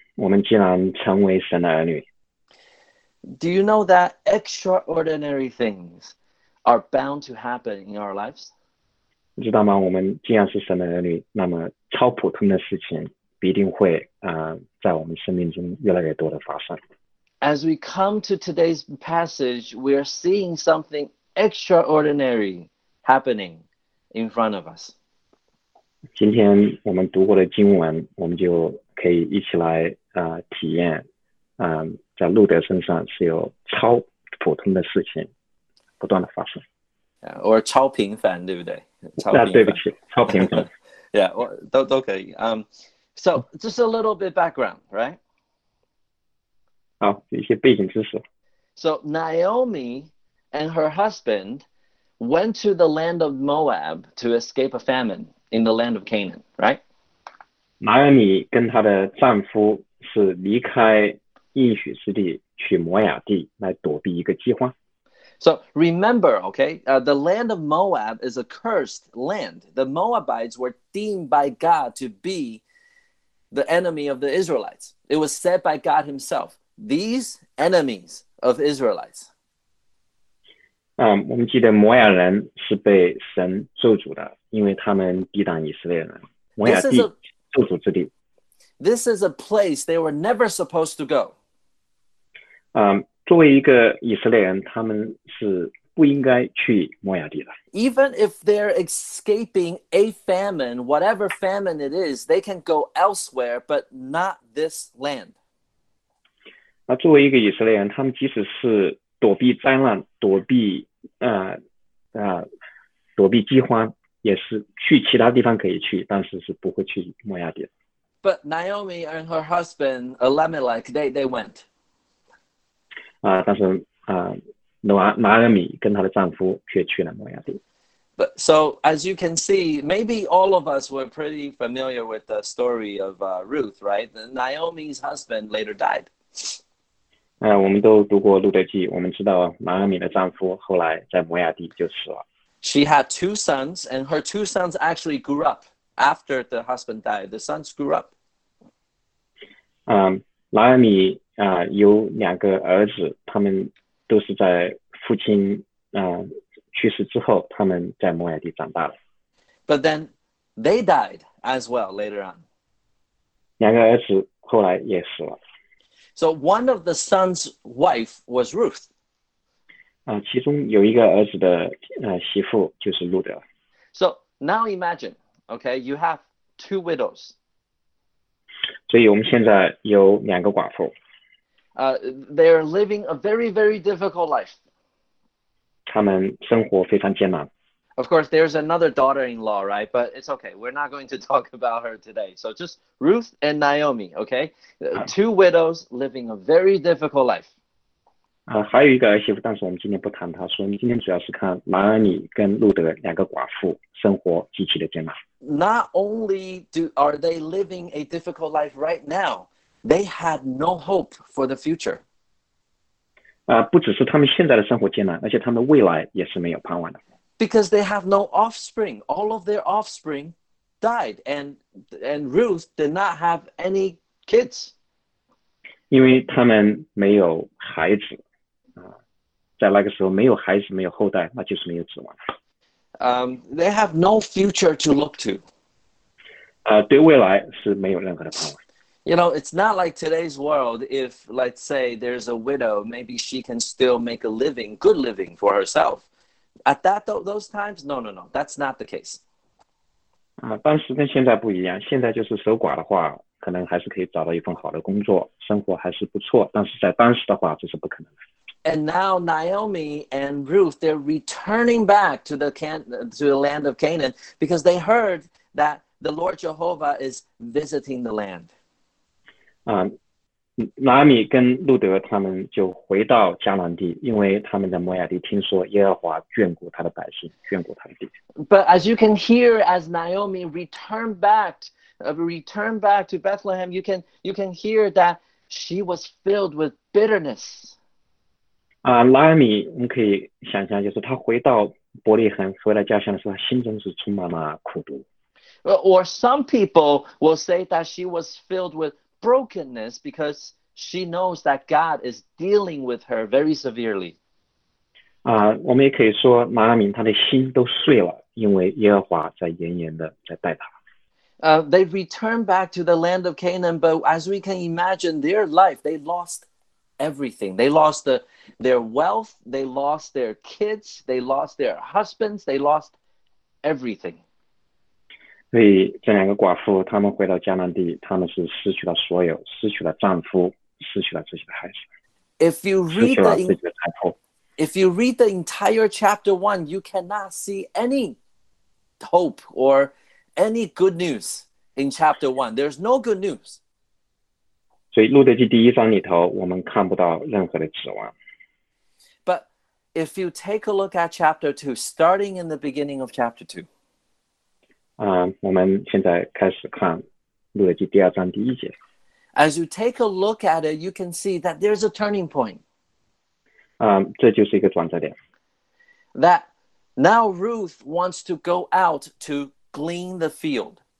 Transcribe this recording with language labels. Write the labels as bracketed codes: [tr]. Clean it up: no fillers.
[zh] 当弟兄姊妹们,我们既然成为神的儿女, [en] do you know that extraordinary things are bound to happen in our lives? [zh] 你知道吗,我们既然是神的儿女,那么超普通的事情, 必定会在我们生命中越来越多的发生。 [en] As we come to today's passage, we are seeing something extraordinary happening in front of us. [zh] 今天我们读过的经文，我们就可以一起来体验，在路德身上是有超普通的事情不断的发生。 [en] Yeah, or [zh] 超平凡，对不对？那对不起，超平凡。 [en] yeah, or [zh] 都可以。 [en] So just a little bit background, right? [zh] 好，一些背景知识。 [en] So Naomi and her husband went to the land of Moab to escape a famine in the land of Canaan, right? [zh] 拿俄米跟她的丈夫是离开应许之地去摩亚地来躲避一个饥荒。 [en] So remember, okay, the land of Moab is a cursed land. The Moabites were deemed by God to be the enemy of the Israelites. It was said by God himself, these enemies of Israelites. [zh] 我们记得摩亚人是被神咒诅的，因为他们抵挡以色列人。摩亚地，咒诅之地。 [en] This is a place they were never supposed to go. [zh] 作为一个以色列人，他们是不应该去摩亚地的。 [en] Even if they're escaping a famine, whatever famine it is, they can go elsewhere, but not this land. [zh] 作为一个以色列人，他们即使是躲避灾难，躲避躲避饥荒，也是去其他地方可以去，但是是不会去摩亚地。 [en] But Naomi and her husband Elimelech, they went. [zh] 但是拿俄米跟她的丈夫却去了摩亚地。 [en] But so as you can see, maybe all of us were pretty familiar with the story of Ruth, right? Naomi's husband later died. [zh] 我们都读过路德记，我们知道拿俄米的丈夫后来在摩亚地就死了。 [en] She had two sons, and her two sons actually grew up after the husband died. The sons grew up. [zh] 拿俄米有两个儿子，他们都是在父亲去世之后，他们在摩亚地长大了。 [en] But then they died as well later on. [zh] 两个儿子后来也死了。 [en] So one of the son's wife was Ruth. [zh] 其中有一个儿子的媳妇就是路德。 [en] So now imagine, okay, you have two widows. [zh] 所以我们现在有两个寡妇。 [en] They're living a very, very difficult life. [zh] 他们生活非常艰难。 [en] Of course, there's another daughter-in-law, right? But it's okay. We're not going to talk about her today. So just Ruth and Naomi, okay? Two widows living a very difficult life. [zh] 还有一个儿媳妇，但是我们今天不谈她。所以今天主要是看拿俄米跟路德两个寡妇生活极其的艰难。 [en] Not only are they living a difficult life right now, they had no hope for the future. [zh] 不只是他们现在的生活艰难，而且他们的未来也是没有盼望的。 [en] Because they have no offspring. All of their offspring died. And Ruth did not have any kids. [zh] 因为他们没有孩子。在那个时候没有孩子，没有后代，那就是没有指望。 [en] They have no future to look to. [zh] 对未来是没有任何的盼望。 [en] You know, it's not like today's world. If, let's say, there's a widow, maybe she can still make a living, good living for herself. At that, those times, no, that's not the case. [zh] 当时跟现在不一样，现在就是守寡的话，可能还是可以找到一份好的工作，生活还是不错，但是在当时的话，这是不可能的。 [en] And now Naomi and Ruth, they're returning back to the land of Canaan because they heard that the Lord Jehovah is visiting the land. [zh] 拿俄米跟路德他们就回到迦南地，因为他们在摩亚地听说耶和华眷顾他的百姓，眷顾他的地。 [en] But as you can hear, as Naomi returned back to Bethlehem, you can hear that she was filled with bitterness. [zh] 拿俄米，我们可以想象，就是他回到伯利恒，回到家乡的时候，心中是充满了苦毒。 [en] Or some people will say that she was filled with brokenness because she knows that God is dealing with her very severely. [zh] 我们也可以说拿俄米她的心都碎了，因为耶和华在严严的在待她。 [en] They returned back to the land of Canaan, but as we can imagine, their life, they lost everything. They lost their wealth, they lost their kids, they lost their husbands, they lost everything. [zh] 所以这两个寡妇，她们回到迦南地，她们是失去了所有，失去了丈夫，失去了自己的孩子， [en] If you [zh] 失 [en] read [zh] 去 [en] the [zh] 了自己的财富。 [en] If you read the entire chapter one, you cannot see any hope or any good news in chapter one. There's no good news. [zh] 所以路德记第一章里头，我们看不到任何的指望。 [en] But if you take a look at chapter two, starting in the beginning of chapter two, [zh] 我们现在开始看路德记第二章第一节。 [en] as you take a look at it, you can see that there's a turning point. [zh] 这就是一个转折点。 [en] That now Ruth wants to go out to glean the field.